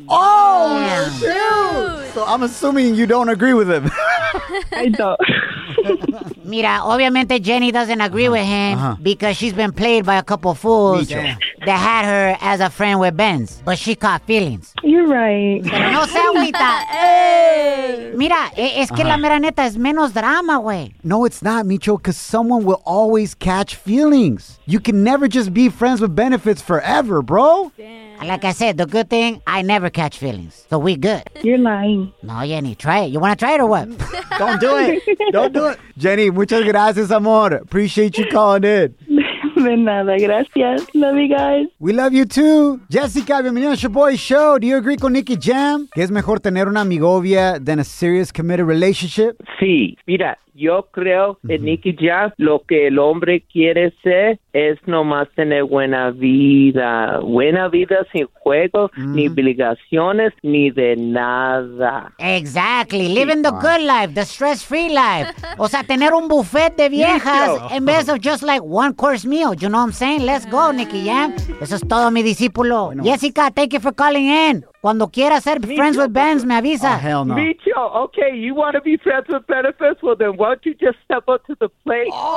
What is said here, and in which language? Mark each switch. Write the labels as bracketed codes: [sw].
[en] Oh, dude! So I'm assuming you don't agree with him. I don't. [es] Mira, obviamente [en] Jenny doesn't agree with him because she's been played by a couple fools that had her as a friend with Benz. But she caught feelings. You're right. [es] No se agüita. Mira, es que la mera neta es menos drama, güey. [en] No, it's not, Micho, because someone will always catch feelings. You can never just be friends with benefits forever, bro. Damn. Like I said, the good thing, I never catch feelings. So we good. You're lying. No, Jenny, try it. You want to try it or what? Don't do it. Don't do it. Jenny, [es] muchas gracias, amor. [en] Appreciate you calling in. [es] De nada, gracias. [en] Love you guys. We love you too. Jessica, [es] bienvenida a Shaboy Show. [en] Do you agree con Nicky Jam? [es] ¿Qué es mejor tener una amigovia [en] than a serious committed relationship? [es] Sí, mira, yo creo que Nicky Jam, lo que el hombre quiere ser es nomás tener buena vida. Buena vida sin juegos, ni obligaciones, ni de nada. [en] Exactly. Living the good life, the stress-free life. [es] O sea, tener un buffet de viejas en vez [en] of just like one course meal. You know what I'm saying? Let's go, [es] Nicky Jam. Eso es todo, mi discípulo. Bueno. Jessica, [en] thank you for calling in. [es] Cuando quiera ser Micho, [en] friends with Benz, [es] me avisa. [en] Oh, hell no. Micho, okay, you want to be friends with benefits? Well, then why don't you just step up to the plate?